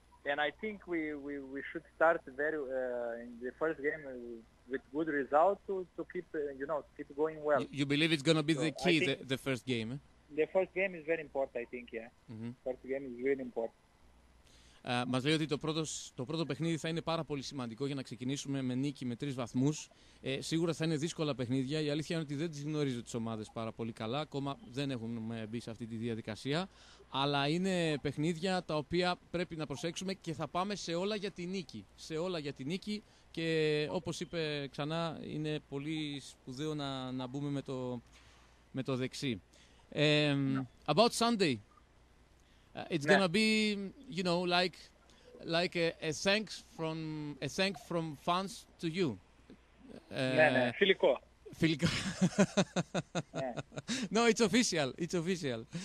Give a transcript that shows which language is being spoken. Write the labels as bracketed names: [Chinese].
[English] And I think we should start very in the first game with good results to keep you know keep going well. You believe it's gonna be so the key the first game. Eh? The first game is very important, I think, yeah. Mm-hmm. First game is really important. [Greek] Μας λέει ότι το πρώτο παιχνίδι θα είναι πάρα πολύ σημαντικό για να ξεκινήσουμε με νίκη με τρεις βαθμούς. Σίγουρα θα είναι δύσκολα παιχνίδια. Η αλήθεια είναι ότι δεν τις γνωρίζω τις ομάδες πάρα πολύ καλά. Ακόμα δεν έχουμε μπει σε αυτή τη διαδικασία. Αλλά είναι παιχνίδια τα οποία πρέπει να προσέξουμε και θα πάμε σε όλα για τη νίκη. Σε όλα για τη νίκη. Και όπως είπε ξανά, είναι πολύ σπουδαίο να μπούμε με το δεξί. [English] No. About Sunday, it's gonna be, you know, like a thank from fans to you. [Greek] Filiko. Filiko. [English] No, it's official. It's official.